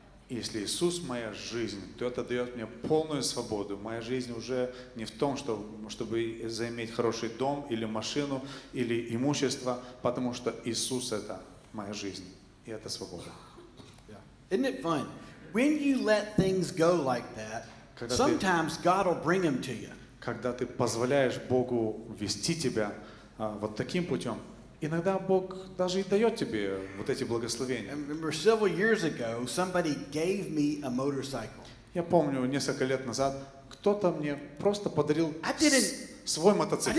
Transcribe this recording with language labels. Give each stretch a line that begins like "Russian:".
Russian: Если Иисус моя жизнь, то это дает мне полную свободу. Моя жизнь уже не в том, чтобы заиметь хороший дом или машину или имущество, потому что Иисус это моя жизнь и это свобода.
English: Yeah. Isn't it fun? When you let things go like that, sometimes God will bring them to you.
Russian: Когда ты позволяешь Богу вести тебя вот таким путем, иногда Бог даже и дает тебе вот эти благословения.
English: I remember several years ago, somebody gave me a motorcycle.
Russian: Я помню, несколько лет назад кто-то мне просто подарил свой мотоцикл.